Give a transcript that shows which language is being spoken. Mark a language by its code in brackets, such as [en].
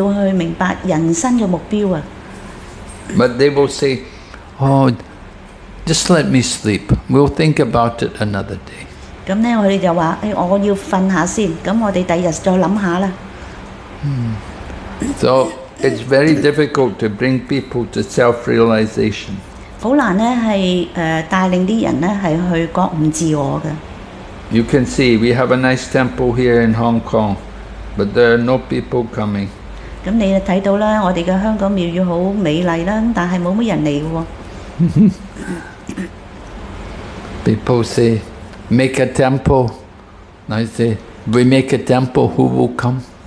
[zh] 你要醒來，我們要去明白人生的目標。 [en] But they will say, oh, just let me sleep. We'll think about it another day. [zh] 那他們就說，我要睡一下，那我們第二天再想一下。 [en] So, it's very difficult to bring people to self-realization. [zh] 很難帶領人去覺悟自我的。 [en] You can see, we have a nice temple here in Hong Kong, but there are no people coming. [zh] 你看到我們的香港廟宇很美麗，但是沒什麼人來的。 [en] People say, make a temple. I say, we make a temple, who will come?